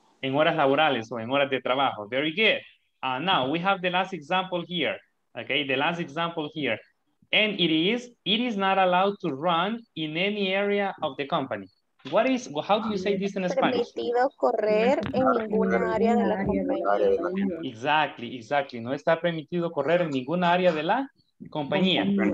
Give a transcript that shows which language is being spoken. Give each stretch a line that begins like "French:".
Spanish: en horas laborales o en horas de trabajo.
English: Very good. Now we have the last example here. Okay, the last example here. And it is not allowed to run in any area of the company. What is, how do you say this in Spanish?
Spanish: No está permitido correr en ninguna área de la compañía.
English: Exactly, exactly.
Spanish: No está permitido correr en ninguna área de la compañía.